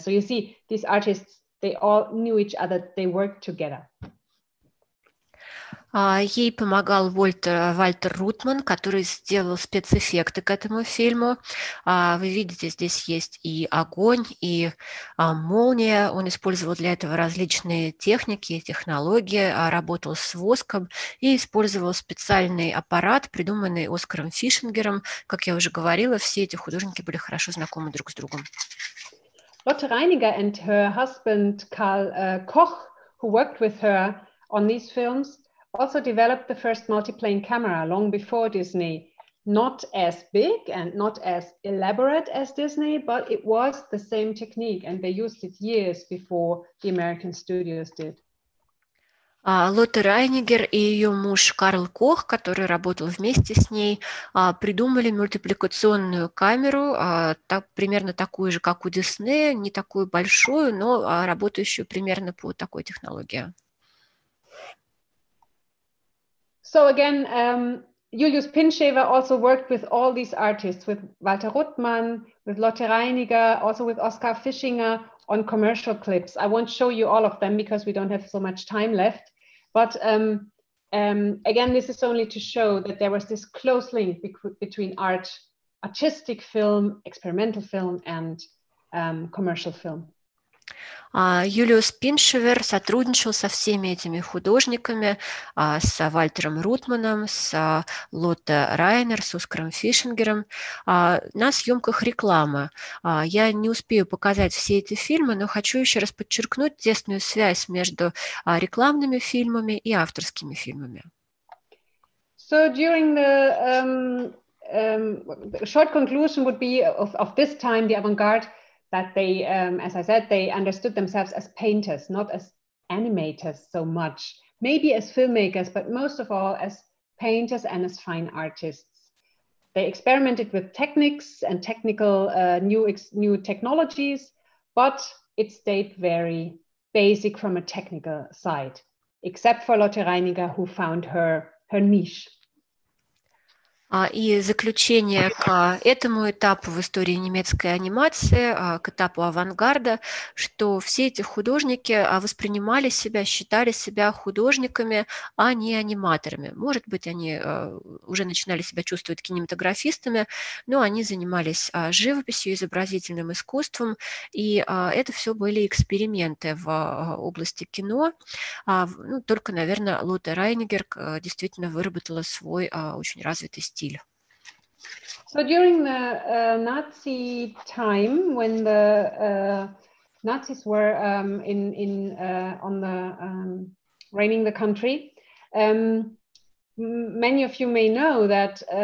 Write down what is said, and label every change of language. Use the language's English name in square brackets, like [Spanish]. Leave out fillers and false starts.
[English] So you see, these artists, they all knew each other, they worked together. [Russian] Ей помогал Вальтер Рутман, который сделал спецэффекты к этому фильму. Вы видите, здесь есть и огонь, и молния. Он использовал для этого различные техники, технологии, работал с воском и использовал специальный аппарат, придуманный Оскаром Фишингером. Как я уже говорила, все эти художники были хорошо знакомы друг с другом. [English] Lotte Reiniger and her husband Karl Koch, who worked with her on these films, also developed the first multiplane camera long before Disney. Not as big and not as elaborate as Disney, but it was the same technique, and they used it years before the American studios did. [Russian] Лотте Райнигер и ее муж Карл Кох, который работал вместе с ней, придумали мультипликационную камеру, примерно такую же, как у Диснея, не такую большую, но работающую примерно по такой технологии. [English] So again, Julius Pinshaver also worked with all these artists, with Walter Ruttmann, with Lotte Reiniger, also with Oscar Fischinger on commercial clips. I won't show you all of them because we don't have so much time left. But again, this is only to show that there was this close link between art, artistic film, experimental film, and commercial film. [Russian] Юлиус Пиншевер сотрудничал со всеми этими художниками, с Вальтером Рутманом, с Лотте Райнер, с Оскаром Фишингером на съемках рекламы. Я не успею показать все эти фильмы, но хочу еще раз подчеркнуть тесную связь между рекламными фильмами и авторскими фильмами. [English] So during the short conclusion would be of this time, the avant-garde, that they, as I said, they understood themselves as painters, not as animators so much, maybe as filmmakers, but most of all as painters and as fine artists. They experimented with techniques and technical new technologies, but it stayed very basic from a technical side, except for Lotte Reiniger, who found her niche. [Russian] И заключение к этому этапу в истории немецкой анимации, к этапу авангарда, что все эти художники воспринимали себя, считали себя художниками, а не аниматорами. Может быть, они уже начинали себя чувствовать кинематографистами, но они занимались живописью, изобразительным искусством, и это все были эксперименты в области кино. Ну, только, наверное, Лотте Райнигер действительно выработала свой очень развитый стиль. [English] So during the Nazi time, when the Nazis were reigning the country, many of you may know that